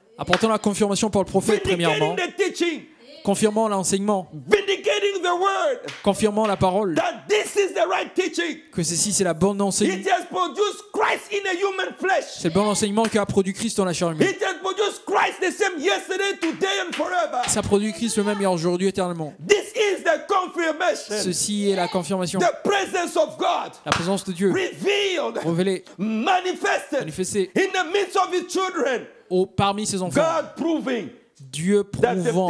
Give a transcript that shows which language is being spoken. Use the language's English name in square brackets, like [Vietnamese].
[French] apportant la confirmation par le prophète premièrement confirmant l'enseignement [English] vindicating the word, [French] confirmant la parole [English] that this is the right teaching. [French] Que ceci c'est la bonne enseignement [English] it has produced Christ in a human flesh. [French] C'est le bon enseignement qui a produit Christ dans la chair humaine [English] it has produced Christ the same yesterday, today and forever. [French] Ça produit Christ le même hier, aujourd'hui, éternellement [English] this is the confirmation. [French] Ceci est la confirmation [English] the presence of God [French] la présence de Dieu [English] revealed, [French] révélée [English] manifestée in the midst of his children. [French] Parmi ses enfants [English] God proving [French] Dieu prouvant